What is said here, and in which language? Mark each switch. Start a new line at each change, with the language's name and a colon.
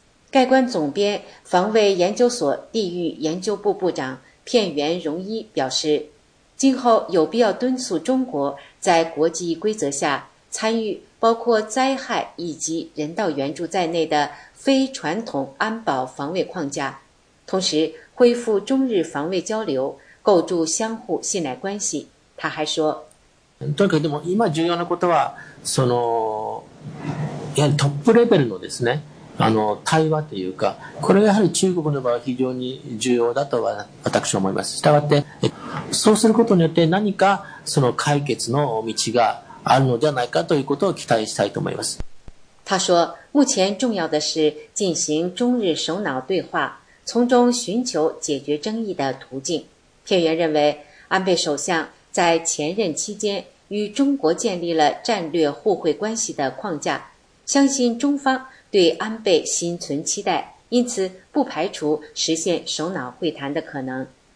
Chinese: 概观总编、防卫研究所地域研究部部长片原荣一表示，今后有必要敦促中国在国际规则下参与包括灾害以及人道援助在内的非传统安保防卫框架，同时恢复中日防卫交流，构筑相互信赖关系。他还说，
Japanese: でも今重要なことはそのやはりトップレベルのですね対話というか、これがやはり中国の場合非常に重要だとは私は思います。したがって、そうすることによって何かその解決の道があるのではないかということを期待したいと思います。
Chinese: 他说，目前重要的是进行中日首脑对话，从中寻求解决争议的途径。片原认为，安倍首相在前任期间与中国建立了战略互惠关系的框架，相信中方对安倍心存期待，因此不排除实现首脑会谈的可能。